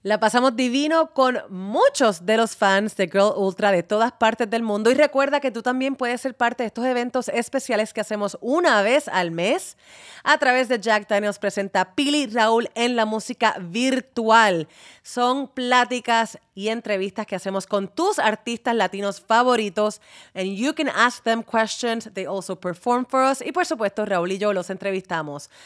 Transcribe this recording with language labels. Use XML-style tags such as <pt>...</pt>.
<es>La pasamos divino con muchos de los fans de Girl Ultra de todas partes del mundo y recuerda que tú también puedes ser parte de estos eventos especiales que hacemos una vez al mes a través de Jack Daniels presenta Pili, Raúl en la música virtual. Son pláticas y entrevistas que hacemos con tus artistas latinos favoritos.</es> <en>And you can ask them questions. They also perform for us.</en> <es>Y por supuesto, Raúl y yo los entrevistamos.</es>